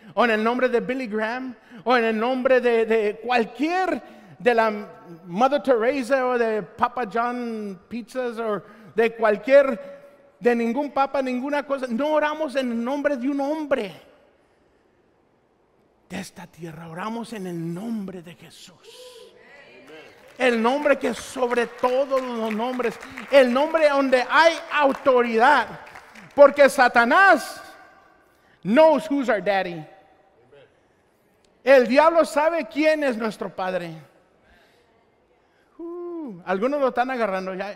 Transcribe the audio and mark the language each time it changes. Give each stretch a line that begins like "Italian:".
Spanish: ¿O en el nombre de Billy Graham? ¿O en el nombre de cualquier, de la Mother Teresa o de Papa John Pizzas o de cualquier, de ningún papa, ninguna cosa? No oramos en el nombre de un hombre de esta tierra. Oramos en el nombre de Jesús. El nombre que es sobre todos los nombres. El nombre donde hay autoridad. Porque
English: Satanás knows who's our daddy.
Spanish: El diablo sabe quién es nuestro padre. Algunos lo están agarrando.